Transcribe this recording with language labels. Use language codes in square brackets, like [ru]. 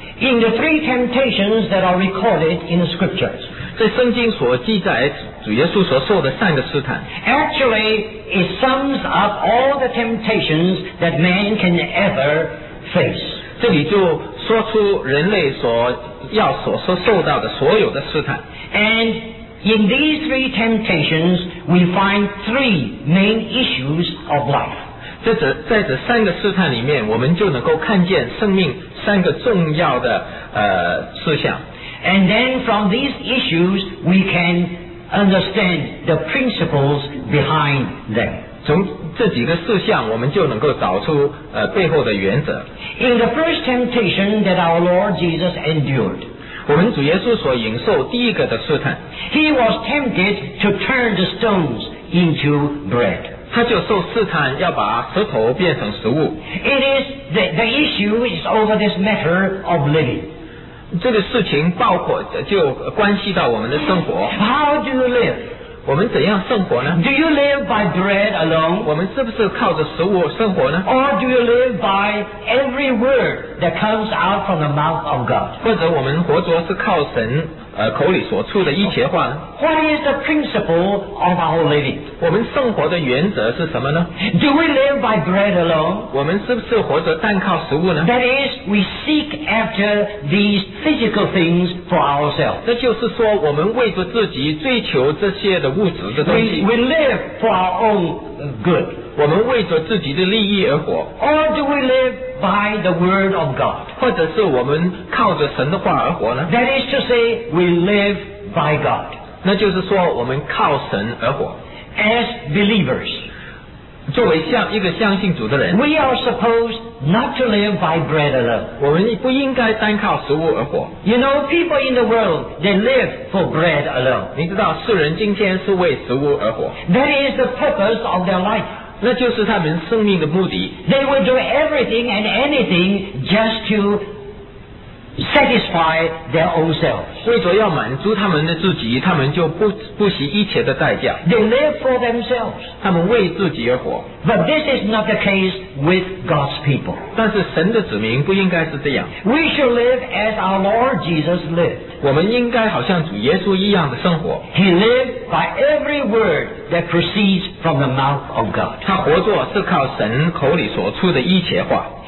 [en] In the three temptations that are recorded in the scriptures [zh] 在圣经所记载主耶稣所受的三个试探 [en] Actually it sums up all the temptations that man can ever face [zh] 这里就说出人类所要所受到的所有的试探 [en] And in these three temptations we find three main issues of life [zh] 在这三个试探里面我们就能够看见生命三个重要的事项 [en] And then from these issues we canunderstand the principles behind them [zh] 从这几个事项我们就能够找出背后的原则 [en] in the first temptation that our Lord Jesus endured [zh] 我们主耶稣所忍受第一个的试探 [en] he was tempted to turn the stones into bread [zh] 他就受试探要把石头变成食物 [en] it is the issue is over this matter of living [zh] 这个事情包括就关系到我们的生活 [en] How do you live? [zh] 我们怎样生活呢 [en] Do you live by bread alone? [zh] 我们是不是靠着食物生活呢 [en] Or do you live by every word that comes out from the mouth of God? [zh] 或者我们活着是靠神口里所出的一切话呢 [en] What is the principle of our living? [zh] 我们生活的原则是什么呢 [en] Do we live by bread alone? [zh] 我们是不是活着单靠食物呢 [en] That is, we seek after these physical things for ourselves [zh] 这就是说我们为着自己追求这些的物质的东西 [en] We live for our own good [zh] 我们为着自己的利益而活 [en] Or do we liveby the word of God [zh] 或者是我们靠着神的话而活呢 [en] that is to say we live by God [zh] 那就是说我们靠神而活 [en] as believers [zh] 作为像一个相信主的人 [en] we are supposed not to live by bread alone. [zh] 我们不应该单靠食物而活。 [en] You know, people in the world, they live for bread alone. [zh] 你知道世人今天是为食物而活。 [en] That is the purpose of their life. [zh] 那就是他们生命的目的。 [en] They will do everything and anything just to satisfy their own selves. [zh] 为着要满足他们的自己，他们就不惜一切的代价。 [en] They live for themselves. [zh] 他们为自己而活。 [en] But this is not the case with God's people. [zh] 但是神的子民不应该是这样。 [en] We should live as our Lord Jesus lived. [zh] 我们应该好像主耶稣一样的生活。 [en] He lived by every word that proceeds from the mouth of God. [zh] 他活着是靠神口里所出的一切话。